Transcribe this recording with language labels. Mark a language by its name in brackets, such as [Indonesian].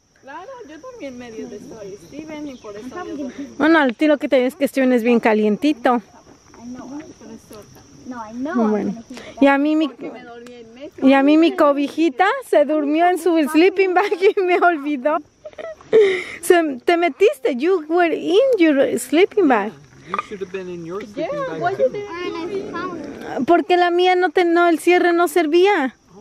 [Spanish] Claro, yo dormí en medio de eso, Steven, y por eso había dormido. Bueno, a ti lo que te dice es que Steven es bien calientito. Bueno. Y a mí mi cobijita se durmió en su sleeping bag y me olvidó. Se, te metiste, [English] you were in your sleeping bag. You should have been in your sleeping bag. [Spanish] Porque la mía no tenía, el cierre no servía.